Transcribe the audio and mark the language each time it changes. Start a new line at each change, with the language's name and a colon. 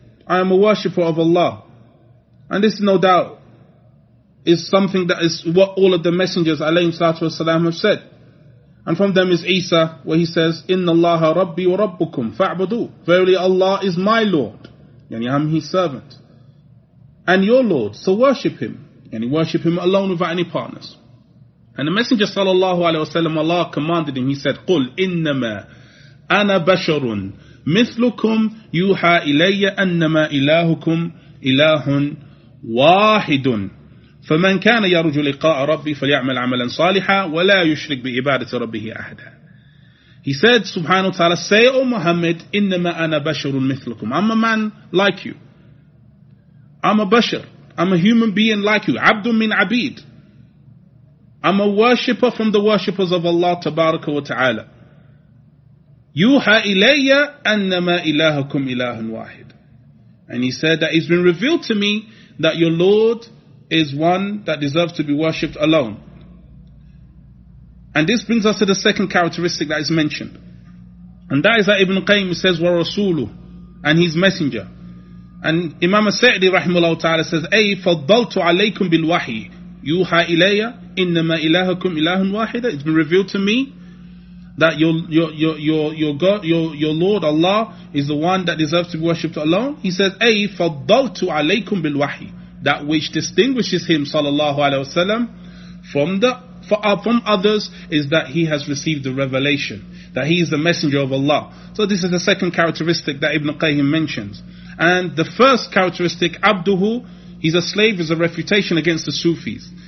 English: I am a worshipper of Allah. And this no doubt is something that is what all of the messengers alayhi salatu wa sallam have said. And from them is Isa, where he says,
Arabic: إِنَّ اللَّهَ رَبِّي وَرَبُّكُمْ فَاعْبُدُوهُ.
English: Verily Allah is my Lord. Yani I'm His servant. And your Lord. So worship Him. Yani worship Him alone without any partners. And the Messenger sallallahu alayhi wa sallam, Allah commanded him, he said,
Arabic: قُلْ إِنَّمَا أَنَا بَشَرٌ مِثْلُكُمْ يُوحَى إِلَيَّ أَنَّمَا إِلَهُكُمْ إِلَهٌ وَاحِدٌ فَمَنْ كَانَ يَرُجُ لِقَاءَ رَبِّي فَلْيَعْمَلْ عَمَلًا صَالِحًا وَلَا يُشْرِكْ بِعِبَادَةِ رَبِّهِ أَحَدًا.
English: He said, subhanahu wa ta'ala, say, O Muhammad,
Arabic: إِنَّمَا أَنَا بَشَرٌ مِثْلُكُمْ.
English: I'm a man like you. I'm a bashar. I'm a human being like you.
Arabic: عَبْدٌ مِنْ عَبِيد.
English: I'm a worshipper from the worshippers of Allah tabaraka wa ta'ala.
Arabic: يُوحَى إِلَيَّ أَنَّمَا إِلَهُكُمْ إِلَهٌ وَاحِدٌ.
English: And he said that it's been revealed to me that your Lord is one that deserves to be worshipped alone. And this brings us to the second characteristic that is mentioned. And that is that Ibn Qayyim says, وَرَسُولُهُ, and his messenger. And Imam As-Sa'di rahimahullah ta'ala says,
Arabic: أَيْ فَضَّلْتُ عَلَيْكُمْ بِالْوَحِي يُوحَى إِلَيَّ إِنَّمَا إِلَهُكُمْ إِلَهٌ وَاحِدٌ.
English: It's been revealed to me that your God, your Lord Allah is the one that deserves to be worshipped alone. He says,
Arabic: أَيْ فَضَّلْتُ عَلَيْكُمْ بِالْوَحِي.
English: That which distinguishes him, sallallahu alayhi wa sallam, from others, is that he has received the revelation, that he is the messenger of Allah. So this is the second characteristic that Ibn Qayyim mentions. And the first characteristic, abduhu, he's a slave, is a refutation against the Sufis.